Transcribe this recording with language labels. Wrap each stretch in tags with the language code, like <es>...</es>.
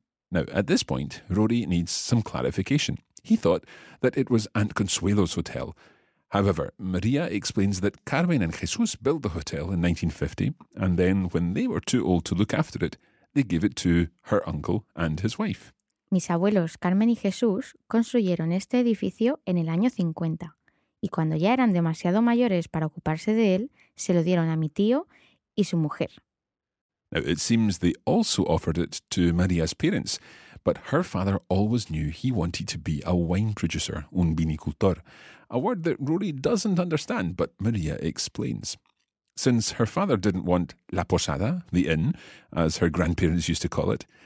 <en>Now, at this point, Rory needs some clarification. He thought that it was Aunt Consuelo's hotel. However, Maria explains that Carmen and Jesús built the hotel in 1950, and then when they were too old to look after it, they gave it to her uncle and his wife.</en> <es>Mis abuelos, Carmen y Jesús, construyeron este edificio en el año 50 y cuando ya eran demasiado mayores para ocuparse de él, se lo dieron a mi tío y su mujer.</es> <en>Now, it seems they also offered it to Maria's parents, but her father always knew he wanted to be a wine producer,</en> <es>un vinicultor,</es> <en>a word that Rory doesn't understand, but Maria explains. Since her father didn't want</en> <es>la posada,</es> <en>the inn, as her grandparents used to call it,</en>